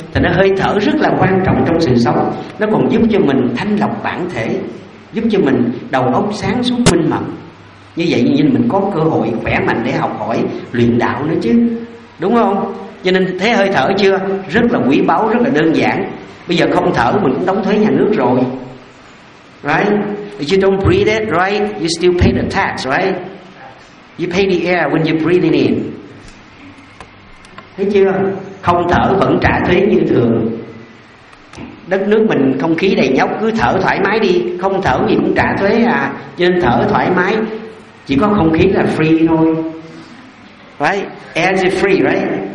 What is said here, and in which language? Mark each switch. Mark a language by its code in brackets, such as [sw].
[vi] Thì nó hơi thở rất là quan trọng trong sự sống, nó còn giúp cho mình thanh lọc bản thể, giúp cho mình đầu óc sáng suốt minh mẫn. Như vậy nhìn mình có cơ hội khỏe mạnh để học hỏi luyện đạo nữa chứ, đúng không? Cho nên thế hơi thở chưa, rất là quý báu, rất là đơn giản. Bây giờ không thở mình cũng đóng thuế nhà nước rồi, right? [en] You don't breathe it, right? You still pay the tax, right? You pay the air when you're breathing in. [vi] Thấy chưa? Không thở vẫn trả thuế như thường. Đất nước mình không khí đầy nhóc, cứ thở thoải mái đi. Không thở gì cũng trả thuế à? Cho nên thở thoải mái, chỉ có không khí là free thôi, [en] right? Air is free, right?